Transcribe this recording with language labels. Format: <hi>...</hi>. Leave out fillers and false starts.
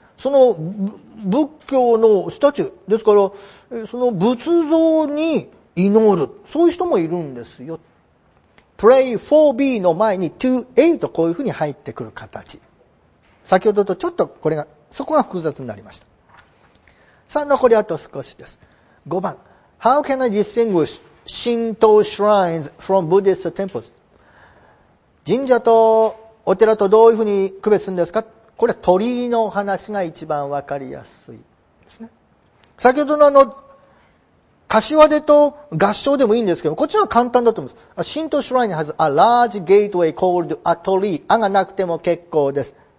<ja>その仏教のスタチュー。ですから、その仏像に祈る。そういう人もいるんですよ。pray for B の前に 2A とこういうふうに入ってくる形。先ほどとちょっとこれが、そこが複雑になりました。さあ、残りあと少しです。 5番。</ja> <en>How can I distinguish Shinto shrines from Buddhist temples?</en> <ja>神社とお寺とどういうふうに区別するんですか？これは鳥居の話が一番わかりやすいですね。先ほどの柏手と合掌でもいいんですけど、こっちは簡単だと思います。</ja> <en>Shinto shrine has a large gateway called a 鳥居。</en> <ja>あがなくても結構です。</ja>